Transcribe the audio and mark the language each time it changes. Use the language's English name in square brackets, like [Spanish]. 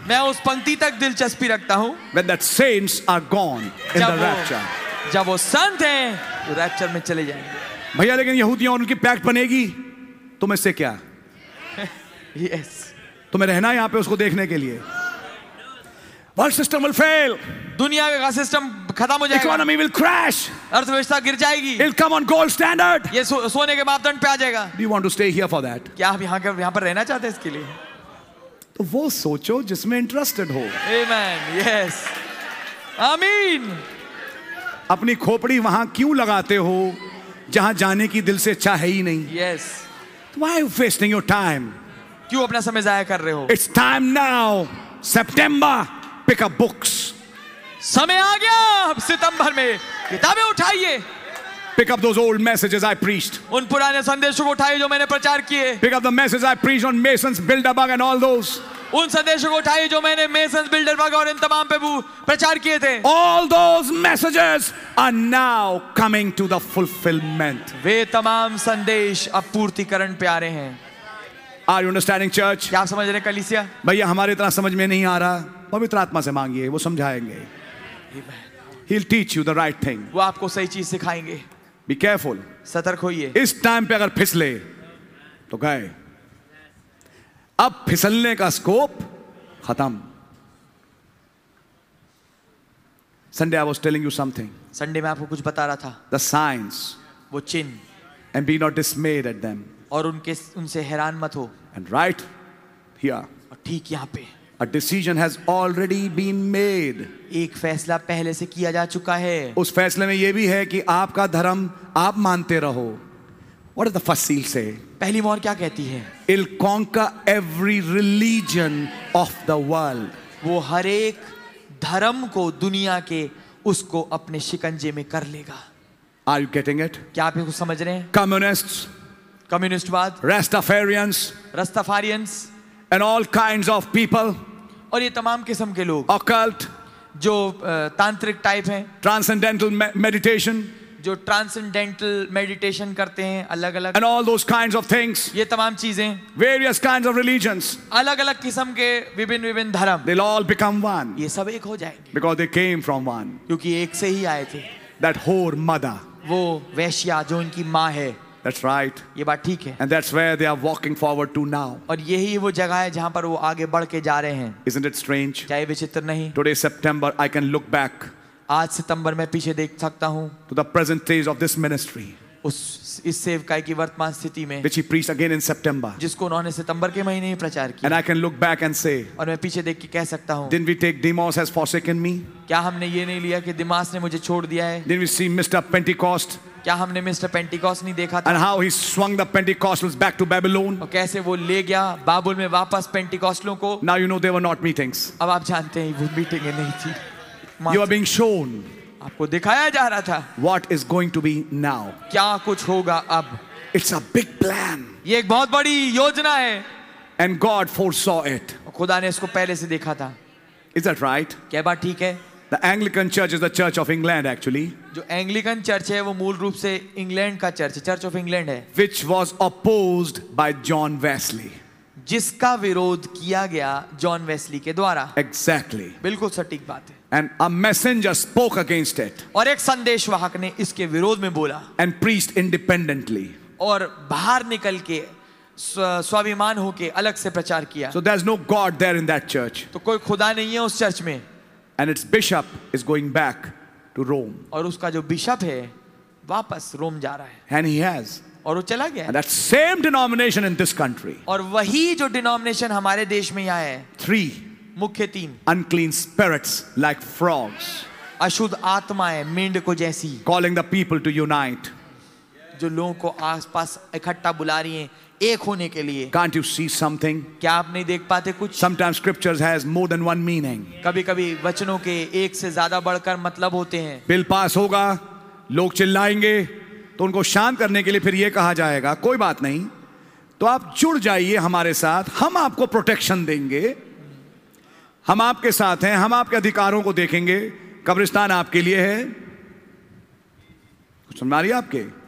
[Hindi] मैं उस पंक्ति तक दिलचस्पी रखता हूं. [English] When that saints are gone in the rapture. [Hindi] जब वो संत हैं, वो रैप्चर में चले जाएंगे. भैया लेकिन यहूदियों और उनकी पैक्ट बनेगी, तुम इससे क्या? [English] Yes. [Hindi] तुम्हें रहना यहां पे उसको देखने के लिए. [English] World system will fail. [Hindi] दुनिया का सिस्टम खत्म हो जाएगा. [English] Economy will crash. [Hindi] अर्थव्यवस्था गिर जाएगी. [English] It'll come on gold standard. [Hindi] ये सोने के मापदंड पे आ जाएगा. [English] Do you want to stay here for that? [Hindi] क्या आप यहाँ पर रहना चाहते हैं इसके लिए? तो वो सोचो जिसमें इंटरेस्टेड हो. [English] Amen. Yes. Amen. [Hindi] अपनी खोपड़ी वहां क्यों लगाते हो जहां जाने की दिल से इच्छा है ही नहीं? [English] Yes. Why are you wasting your time? [Hindi] क्यों अपना समय जाया कर रहे हो? [English] It's time now. September. Pick up books. [Hindi] समय आ गया अब सितंबर में किताबें उठाइए. [English] Pick up those old messages I preached. [Hindi] उन पुराने संदेशों को उठाइए जो मैंने प्रचार किए. [English] Pick up the messages I preached on Masons, Bilderberg and all those. [Hindi] उन संदेशों को उठाइए जो मैंने Masons, Bilderberg और इन तमाम पे प्रचार किए थे. [English] All those messages are now coming to the fulfillment. [Hindi] वे तमाम संदेश अब पूर्तिकरण पे आ रहे हैं. [English] Are you understanding church? [Hindi] क्या समझ रहे कलीसिया? भैया हमारे इतना समझ में नहीं आ रहा. पवित्र आत्मा से मांगिए, वो समझाएंगे. [English] He'll teach you the right thing. [Hindi] वो आपको सही चीज सिखाएंगे. [English] Be careful. [Hindi] सतर्क होइए. इस टाइम पे अगर फिसले तो गए. अब फिसलने का स्कोप खत्म. [English] Sunday I was telling you something. [Hindi] Sunday में आपको कुछ बता रहा था. [English] the signs, [Hindi] वो चिन्ह. [English] And be not dismayed at them. [Hindi] और उनके उनसे हैरान मत हो. [English] And right here. [Hindi] और ठीक यहाँ पे. [English] A decision has already been made. [Hindi] एक फैसला पहले से किया जा चुका है. उस फैसले में ये भी है कि आपका धर्म आप मानते रहो. [English] What does the first seal say? [Hindi] पहली मोहर क्या कहती है? [English] It'll conquer every religion of the world. [Hindi] वो हर एक धर्म को दुनिया के उसको अपने शिकंजे में कर लेगा. [English] Are you getting it? [Hindi] क्या आप इसको समझ रहे हैं? [English] Communists. [Hindi] Communistwad. [English] Rastafarians. Rastafarians. And all kinds of people. [Hindi] और ये तमाम किस्म के लोग. [English] Occult. [Hindi] जो तांत्रिक टाइप हैं. [English] Transcendental meditation. [Hindi] जो transcendental meditation करते हैं अलग अलग. [English] And all those kinds of things. [Hindi] ये तमाम चीजें. [English] Various kinds of religions. [Hindi] अलग अलग किस्म के विभिन्न विभिन्न धर्म. [English] They'll all become one. [Hindi] ये सब एक हो जाएंगे. [English] Because they came from one. [Hindi] क्योंकि एक से ही आए थे. [English] That whore mother. [Hindi] वो वैश्या जो उनकी माँ है. [English] That's right. [Hindi] ये बात ठीक है. [English] And that's where they are walking forward to now. [Hindi] और यही वो जगह है जहाँ पर वो आगे बढ़के जा रहे हैं. [English] Isn't it strange? [Hindi] क्या ये विचित्र नहीं? [English] Today September, I can look back. [Hindi] आज सितंबर मैं पीछे देख सकता हूँ. [English] To the present stage of this ministry. [Hindi] उस इस सेवकाई की वर्तमान स्थिति में. [English] Which he preached again in September. [Hindi] जिसको उन्होंने सितंबर के महीने में प्रचार किया. [English] And I can look back and say. [Hindi] और मैं पीछे देख के कह सकता हूँ. [English] Didn't we take Demas as forsaken me? [Hindi] क्या हमने ये नहीं लिया कि दिमास ने मुझे छोड़ दिया है? [English] Didn't we see Mr. Pentecost? [Hindi] क्या हमने मिस्टर पेंटिकॉस्ट नहीं देखा [English] था? And how he swung the Pentecostals back to Babylon? [Hindi] और कैसे वो ले गया बाबुल में वापस पेंटिकॉस्टलों को? [English] Now you know they were not meetings. [Hindi] अब आप जानते हैं वो मीटिंग नहीं थी. [English] You are being shown. [Hindi] आपको दिखाया जा रहा था. [English] What is going to be now? [Hindi] क्या कुछ होगा अब? [English] It's a big plan. [Hindi] ये एक बहुत बड़ी योजना है. [English] And God foresaw it. [Hindi] खुदा ने इसको पहले से देखा था. [English] Is that right? [Hindi] क्या बात ठीक है? [English] The Anglican Church is the Church of England, actually. [Hindi] जो Anglican Church है वो मूल रूप से England का Church, Church of England है. [English] Which was opposed by John Wesley. [Hindi] जिसका विरोध किया गया John Wesley के द्वारा. [English] Exactly. [Hindi] बिल्कुल सटीक बात है. [English] And a messenger spoke against it. [Hindi] और एक संदेशवाहक ने इसके विरोध में बोला. [English] And preached independently. [Hindi] और बाहर निकल के स्वाभिमान होके अलग से प्रचार किया. [English] So there's no God there in that church. [Hindi] तो कोई खुदा नहीं है उस चर्च में. [English] And its bishop is going back to Rome. [Hindi] और उसका जो बिशप है वापस रोम जा रहा है. [English] And he has. [Hindi] और वो चला गया. [English] And that same denomination in this country. [Hindi] और वही जो denomination हमारे देश में आया है. [English] Three. [Hindi] मुख्य तीन. [English] Unclean spirits like frogs. [Hindi] अशुद्ध आत्माएं मेंढकों जैसी. [English] Calling the people to unite. [Hindi] जो लोगों को आसपास इकट्ठा बुला रही हैं. एक होने के लिए. [English] Can't you see something? [Hindi] क्या आप नहीं देख पाते कुछ? [English] Sometimes scriptures has more than one meaning. [Hindi] कभी-कभी वचनों के एक से ज़्यादा बढ़कर मतलब होते हैं. Bill pass होगा, लोग चिल्लाएंगे, तो उनको शांत करने के लिए फिर ये कहा जाएगा, कोई बात नहीं, तो आप जुड़ जाइए हमारे साथ, हम आपको प्रोटेक्शन देंगे, हम आपके साथ हैं, हम आपके अधिकारों को देखेंगे, कब्रिस्तान आपके लिए है, कुछ समझ आ रही आपके?